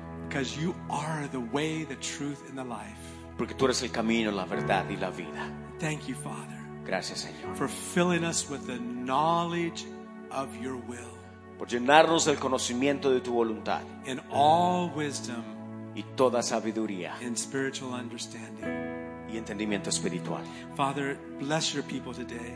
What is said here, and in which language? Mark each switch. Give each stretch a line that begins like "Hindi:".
English: Because you are the way, the truth, and the life.
Spanish: Porque tú eres el camino, la verdad y la vida.
English: Thank you, Father.
Spanish: Gracias, Señor.
English: For filling us with the knowledge of your will.
Spanish: Por llenarnos del conocimiento de tu voluntad.
English: In all wisdom.
Spanish: Y toda sabiduría.
English: In spiritual understanding.
Spanish: Y entendimiento espiritual.
English: Father, bless your people today.